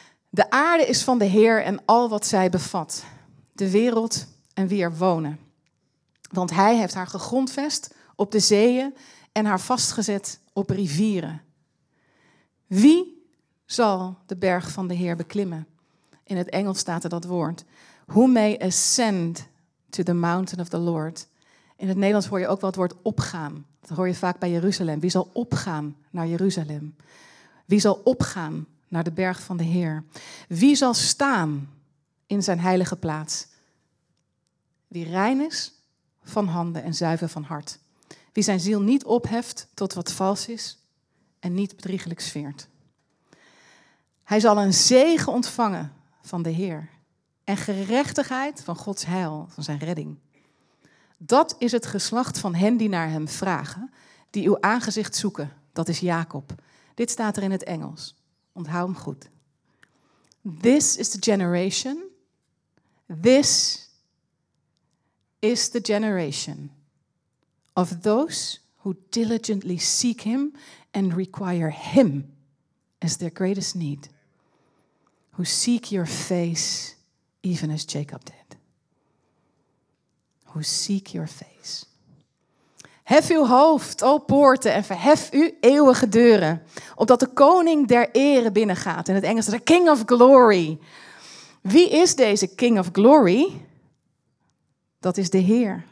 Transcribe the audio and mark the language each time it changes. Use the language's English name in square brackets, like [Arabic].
[Dutch] De aarde is van de Heer en al wat zij bevat. De wereld en wie er wonen. Want hij heeft haar gegrondvest op de zeeën en haar vastgezet op rivieren. Wie zal de berg van de Heer beklimmen? In het Engels staat er dat woord. [English] who may ascend to the mountain of the Lord. [Dutch] In het Nederlands hoor je ook wel het woord opgaan. Dat hoor je vaak bij Jeruzalem. Wie zal opgaan naar Jeruzalem? Wie zal opgaan naar de berg van de Heer? Wie zal staan in zijn heilige plaats? Wie rein is van handen en zuiver van hart. Wie zijn ziel niet opheft tot wat vals is en niet bedriegelijk zweert. Hij zal een zegen ontvangen van de Heer. En gerechtigheid van Gods heil, van zijn redding. Dat is het geslacht van hen die naar hem vragen, die uw aangezicht zoeken. Dat is Jacob. Dit staat er in het Engels. Onthoud hem goed. [English] This is the generation. This is the generation of those who diligently seek him and require him as their greatest need. Who seek your face even as Jacob did. Who seek your face. [Dutch] Hef uw hoofd, o poorten, en verhef uw eeuwige deuren. Opdat de koning der ere binnengaat. In het Engels, de King of Glory. Wie is deze King of Glory? Dat is de Heer.